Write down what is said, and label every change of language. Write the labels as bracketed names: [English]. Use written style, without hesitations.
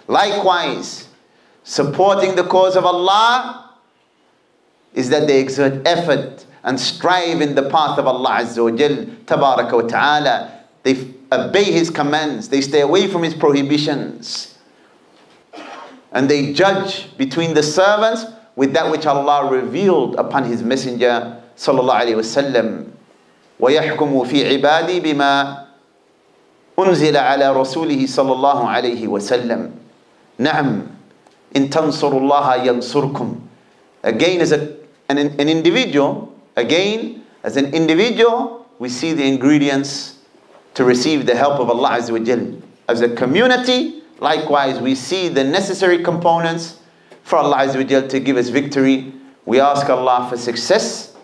[English] Likewise, supporting the cause of Allah is that they exert effort and strive in the path of Allah Azza wa Jal, Tabaraka wa Ta'ala. They obey His commands, they stay away from His prohibitions, and they judge between the servants with that which Allah revealed upon His Messenger صلى الله عليه وسلم. [Arabic] ويحكم في عبادي بما أنزل على رسوله صلى الله عليه وسلم. نعم إن تنصر الله ينصركم. [English] Again, as an individual, again as an individual, we see the ingredients to receive the help of Allah عز وجل. As a community, likewise, we see the necessary components for Allah عز وجل to give us victory. We ask Allah for success.